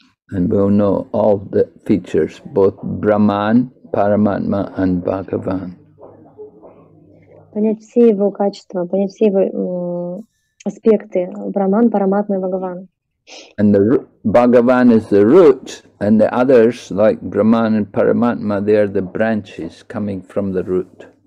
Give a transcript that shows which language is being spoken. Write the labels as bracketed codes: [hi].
[en] And we'll know all the features, both Brahman, Paramatma and Bhagavan. [ru] Понять все его качества, понять все его аспекты, Брахман, Параматма и Бхагаван. [en] And the Bhagavan is the root, and the others, like Brahman and Paramatma, they are the branches coming from the root.